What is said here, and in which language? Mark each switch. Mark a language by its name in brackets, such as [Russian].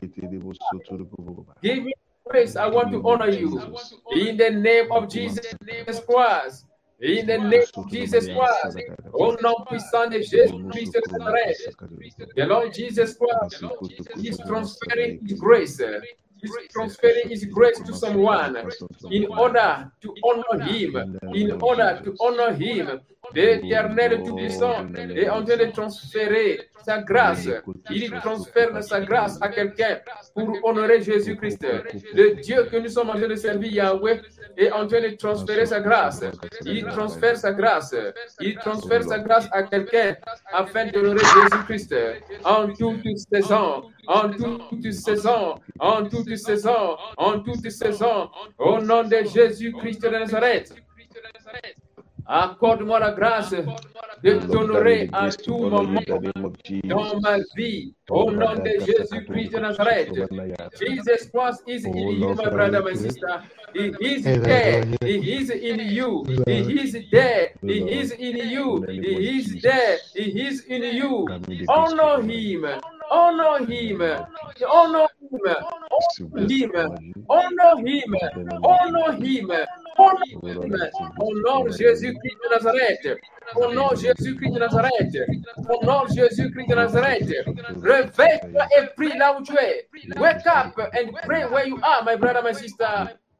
[English] Give me grace. I want to honor you. In the name of Jesus Christ. In the name of Jesus Christ. [French] Au nom puissant de Jésus-Christ de Nazareth. [English] The Lord Jesus Christ is transferring his grace. He's transferring his grace to someone in order to honor him. In order to honor him, [French] l'Éternel Tout-Puissant est en train de transférer sa grâce. Il transfère sa grâce à quelqu'un pour honorer Jésus-Christ. Le Dieu que nous sommes en train de servir, Yahweh, est en train de transférer sa grâce. Il transfère sa grâce. Il transfère sa grâce à quelqu'un afin d'honorer Jésus-Christ en toute saison. En toute saison, en toute saison, en toute saison, au nom de Jésus-Christ de Nazareth, accorde-moi la grâce de t'honorer à tout moment dans ma vie, au nom de Jésus-Christ de Nazareth. [English] Jesus Christ is in you, my brother, my sister. He is there, he is in you, he is there, he is in you, he is there, he is in you. Honor him. Honor him. Honor him. Honor him. Honor him. Honor him. Honor him. Honor Jésus-Christ de Nazareth. Honor Jésus-Christ de Nazareth. Honor Jésus-Christ de Nazareth. [French] Réveille-toi et prie là où tu es. [English] Wake up and pray where you are, my brother, my sister.